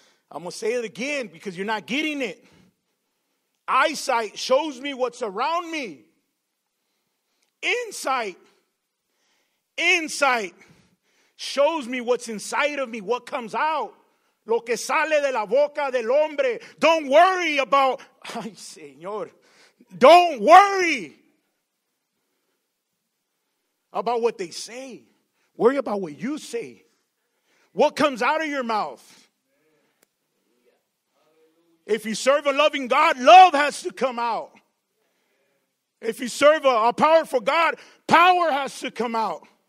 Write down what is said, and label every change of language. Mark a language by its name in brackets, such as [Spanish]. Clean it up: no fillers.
[English] I'm going to say it again because you're not getting it. Eyesight shows me what's around me. Insight shows me what's inside of me, what comes out. [Spanish] Lo que sale de la boca del hombre. [English] Don't worry about, [Spanish] ay, Señor. [English] Don't worry about what they say. Worry about what you say. What comes out of your mouth. If you serve a loving God, love has to come out. If you serve a powerful God, power has to come out.